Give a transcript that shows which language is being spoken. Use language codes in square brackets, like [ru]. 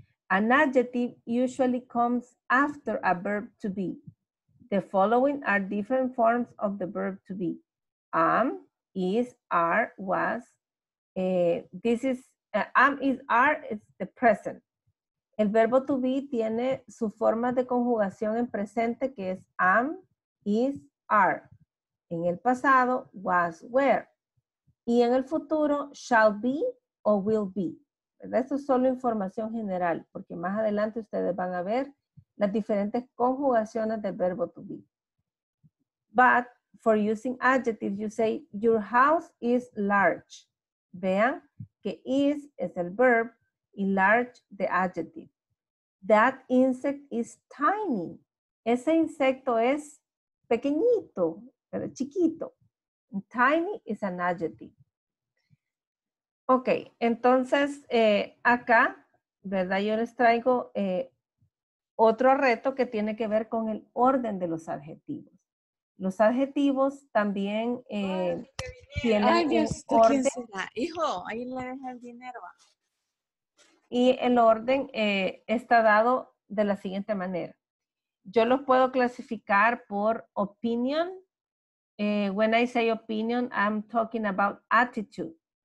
[en] An adjective usually comes after a verb to be. The following are different forms of the verb to be. Am, is, are, was. This is, am, is, are, is the present. [es] El verbo to be tiene su forma de conjugación en presente, que es am, is, are. En el pasado, was, were. Y en el futuro, shall be o will be. ¿Verdad? Esto es solo información general, porque más adelante ustedes van a ver las diferentes conjugaciones del verbo to be. [en] But for using adjectives, you say, your house is large. [es] Vean que is es el verb y large [en] the adjective. That insect is tiny. [es] Ese insecto es pequeñito, pero chiquito. [en] And tiny is an adjective. Ok, [es] entonces acá, ¿verdad? Yo les traigo otro reto que tiene que ver con el orden de los adjetivos. Los adjetivos también tienen ay, Dios, un orden. ¿Quién será? Hijo, ahí le deja el dinero. Y el orden está dado de la siguiente manera. Yo los puedo clasificar por opinion. [en] When I say opinion, I'm talking about attitude.